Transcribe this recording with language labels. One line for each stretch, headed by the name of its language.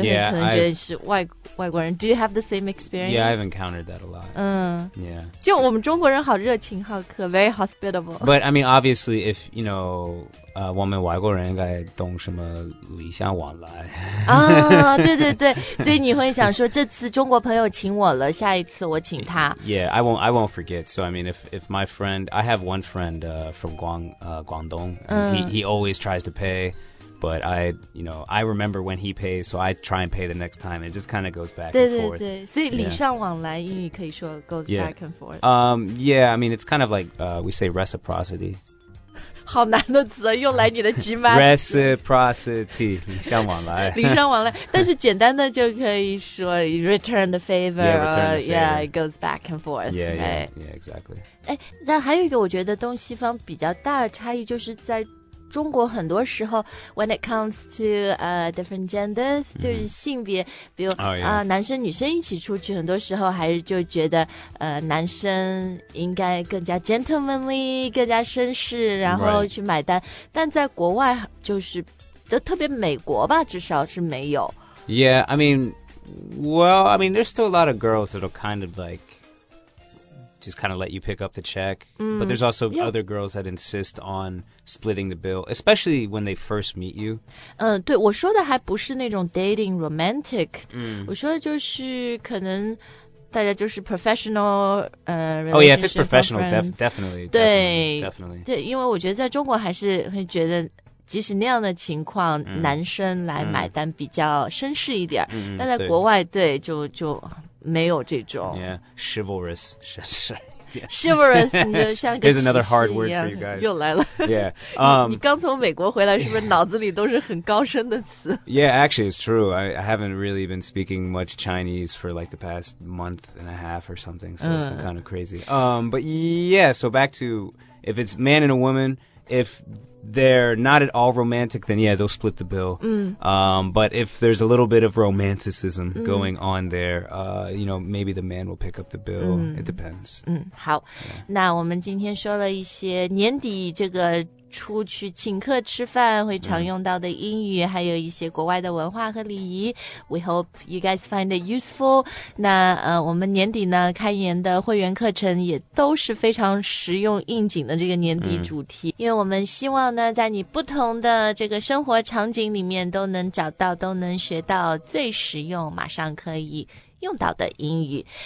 English: yeah,
Chinese: 可能觉得是外国人
English: Do you have the same experience? Yeah, I've encountered that a lot. Yeah.
Chinese: 就我们中国人好热情好客
English: Very hospitable. But I mean, obviously, if you know
Chinese: 我们外国人应该懂什么礼尚往来啊，对对对，所以你会想说这次中国朋友请我了，下一次我请他。
English: Yeah, I won't forget. So I mean, if my friend, I have one friend from Guangdong. He always tries to pay. But I remember when he pays, so I try and pay the next time. It just kind of goes back
Chinese: 对对
English: and forth.
Chinese: 对对对，所以礼尚往来英语可以说
English: goes back and forth. Yeah, I mean, it's kind of like we say reciprocity.
Chinese: 好难的词，又来你的直麦。 Reciprocity, 礼尚往来。礼尚往来，但是简单的就可以说
English: return the favor. Yeah, return the favor. Yeah, it goes back and forth. Yeah, right? yeah, exactly.
Chinese: 哎，那还有一个我觉得东西方比较大的差异就是在中国很多时候
English: when it comes to different genders
Chinese: 就是性别比如男生女生一起出去很多时候还是就觉得男生应该更加 gentlemanly 更加绅士然后去买单、
English: right.
Chinese: 但在国外就是就特别美国吧至少是没有
English: Yeah, I mean Well, I mean there's still a lot of girls that are kind of likeJust kind of let you pick up the check. But there's also other girls that insist on splitting the bill, especially when they first meet you.
Chinese: 对，我说的还不是那种
English: dating romantic.
Chinese: 我说的就是可能大家就是 professional
English: relationship. Oh yeah, if it's professional, definitely.
Chinese: 对
English: definitely.
Chinese: 对，因为我觉得在中国还是会觉得即使那样的情况、嗯、男生来买单比较绅士一点、嗯、但在国外 对, 对就没有这种
English: yeah, chivalrous, 绅士 Yeah.
Chinese: Chivalrous, 你就像个骑士一样。
English: There's another hard word for you guys.
Chinese: 又来了。
English: Yeah.
Chinese: 你刚从美国回来，是不是脑子里都是很高深的词
English: ？Yeah, actually, it's true. I haven't really been speaking much Chinese for like the past month and a half or something, so it's been kind of crazy. But yeah, so back to if it's man and a woman, if they're not at all romantic, then yeah, they'll split the bill. But if there's a little bit of romanticism going on there, you know, maybe the man will pick up the bill. It depends.
Chinese: 嗯，好。那我们今天说了一些年底这个出去请客吃饭会常用到的英语，还有一些国外的文化和礼仪。
English: We hope you guys find it useful.
Chinese: 那我们年底呢开年的会员课程也都是非常实用应景的这个年底主题，因为我们希望呢在你不同的这个生活场景里面都能找到，都能学到最实用马上可以用到的英语。